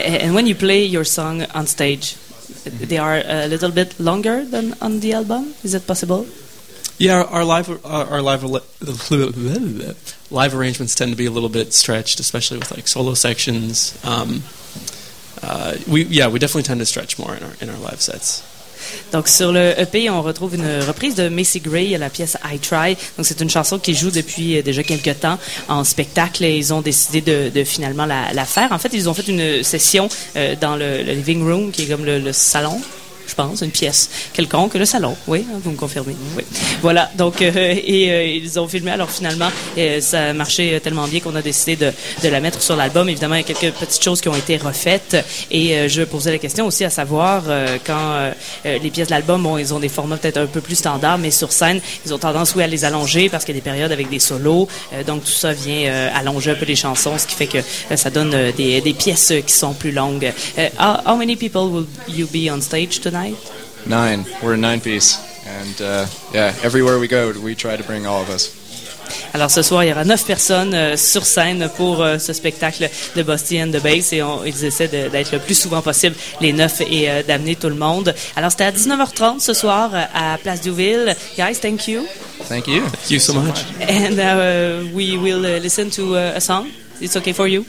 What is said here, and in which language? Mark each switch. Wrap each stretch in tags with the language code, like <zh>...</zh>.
<en>And when you play your song on stage, they are a little bit longer than on the album. Is that possible? Yeah, our live arrangements tend to be a little bit stretched, especially with like solo sections. We definitely tend to stretch more in our live sets.</en> <fr>Donc sur le EP, on retrouve une reprise de Macy Gray, la pièce I Try. Donc c'est une chanson qu'ils jouent depuis déjà quelques temps en spectacle et ils ont décidé de finalement la faire. En fait, ils ont fait une session dans le living room, qui est comme le salon, je pense, une pièce quelconque, le salon, oui, hein, vous me confirmez. Oui. Voilà, donc ils ont filmé, alors finalement, ça a marché tellement bien qu'on a décidé de la mettre sur l'album. Évidemment, il y a quelques petites choses qui ont été refaites et je posais la question aussi à savoir quand les pièces de l'album, bon, ils ont des formats peut-être un peu plus standards, mais sur scène, ils ont tendance, oui, à les allonger parce qu'il y a des périodes avec des solos, donc tout ça vient allonger un peu les chansons, ce qui fait que ça donne des pièces qui sont plus longues.</fr> <en>How many people will you be on stage today? Nine. We're a nine-piece. And everywhere we go, we try to bring all of us.</en> <fr>Alors ce soir, il y aura 9 personnes sur scène pour ce spectacle de Busty and the Bass et ils essaient d'être le plus souvent possible les 9 et d'amener tout le monde. Alors c'était à 19h30 ce soir à Place Duville.</fr> <en>Guys, thank you. Thank you. Thank you so much. And we will listen to a song. It's okay for you?</en>